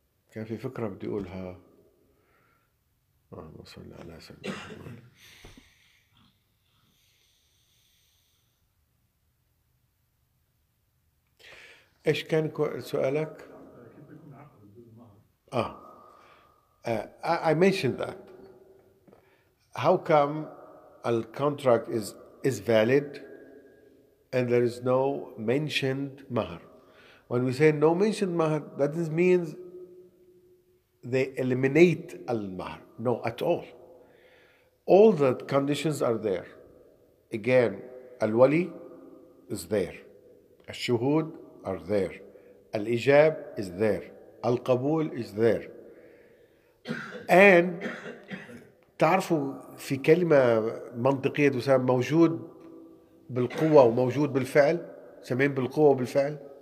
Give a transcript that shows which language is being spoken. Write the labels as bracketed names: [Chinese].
[Arabic] كان في فكرة بدي أقولها اللهم صل على سيدنا محمد إيش كان سؤالك؟ [English] I mentioned that. How come a contract is valid and there is no mentioned mahar? When we say no mentioned mahar, that means they eliminate al-mahar. No, at all. All the conditions are there. Again, al-wali is there. Al-shuhud are there. Al-ijab is there. القبول is there. [Arabic] And تعرفوا في كلمة منطقية تسمى موجود بالقوة وموجود بالفعل سمين بالقوة وبالفعل.